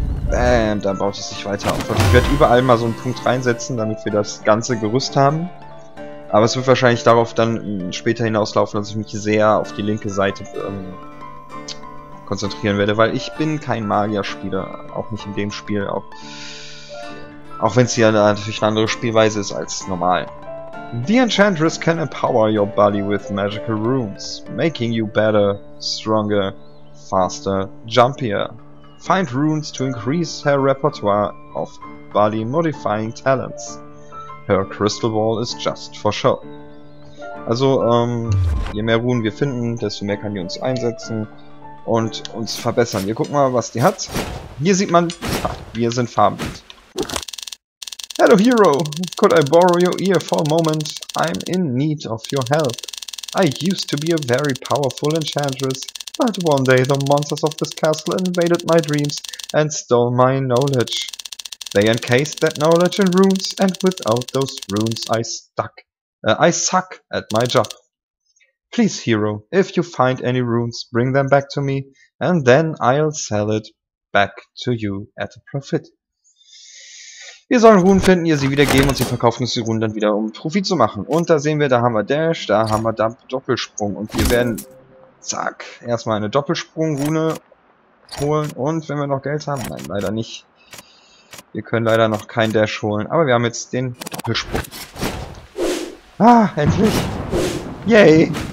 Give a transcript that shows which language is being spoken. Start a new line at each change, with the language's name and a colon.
German: Bam, dann baut es sich weiter auf. Und ich werde überall mal so einen Punkt reinsetzen, damit wir das ganze Gerüst haben. Aber es wird wahrscheinlich darauf dann später hinauslaufen, dass ich mich sehr auf die linke Seite konzentrieren werde, weil ich bin kein Magier-Spieler, auch nicht in dem Spiel, auch wenn es hier natürlich eine andere Spielweise ist als normal.
English: The Enchantress can empower your body with magical runes, making you better, stronger, faster, jumpier. Find runes to increase her repertoire of body-modifying talents. Her Crystal Ball is just for show.
German: Also, je mehr Runen wir finden, desto mehr kann die uns einsetzen und uns verbessern. Wir gucken mal, was die hat. Hier sieht man, wir sind farbend.
English: Hello Hero, could I borrow your ear for a moment? I'm in need of your help. I used to be a very powerful enchantress, but one day the monsters of this castle invaded my dreams and stole my knowledge. They encased that knowledge in runes, and without those runes I suck at my job. Please, Hero, if you find any runes, bring them back to me, and then I'll sell it back to you at a profit.
German: Wir sollen Runen finden, ihr sie wiedergeben und sie verkaufen uns die Runen dann wieder, um Profit zu machen. Und da sehen wir, da haben wir Dash, da haben wir Dump Doppelsprung. Und wir werden, zack, erstmal eine Doppelsprung-Rune holen. Und wenn wir noch Geld haben, nein, leider nicht. Wir können leider noch keinen Dash holen, aber wir haben jetzt den Doppelsprung. Ah, endlich! Yay!